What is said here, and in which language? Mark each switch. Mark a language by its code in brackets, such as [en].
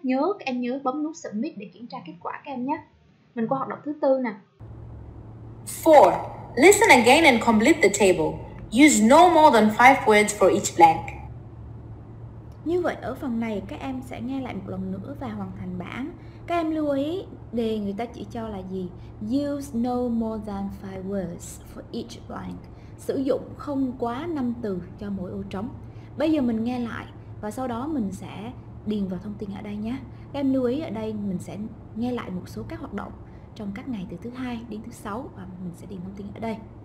[vi] Nhớ các em nhớ bấm nút submit để kiểm tra kết quả các em nhé. Mình qua hoạt động thứ tư nè. [en] 4. Listen again and complete the table. Use no more than 5 words for each blank. [vi] Như vậy ở phần này các em sẽ nghe lại một lần nữa và hoàn thành bản. Các em lưu ý đề người ta chỉ cho là gì? [en] Use no more than 5 words for each blank. [vi] Sử dụng không quá 5 từ cho mỗi ô trống. Bây giờ mình nghe lại và sau đó mình sẽ điền vào thông tin ở đây nhé. Các em lưu ý ở đây mình sẽ nghe lại một số các hoạt động trong các ngày từ thứ 2 đến thứ 6 và mình sẽ điền thông tin ở đây.